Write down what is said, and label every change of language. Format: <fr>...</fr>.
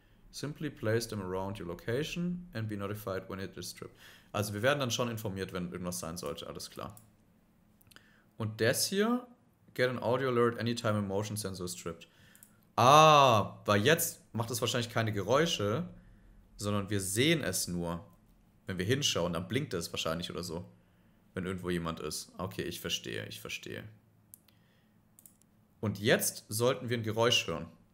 <en>Simply place them around your location and be notified when it is tripped.</en> <de>Also wir werden dann schon informiert, wenn irgendwas sein sollte. Alles klar. Und das hier.</de> <en>Get an audio alert anytime a motion sensor is tripped.</en> <de>Ah, weil jetzt macht es wahrscheinlich keine Geräusche, sondern wir sehen es nur. Wenn wir hinschauen, dann blinkt es wahrscheinlich oder so. Wenn irgendwo jemand ist. Okay, ich verstehe, ich verstehe. Und jetzt sollten wir ein Geräusch hören.</de>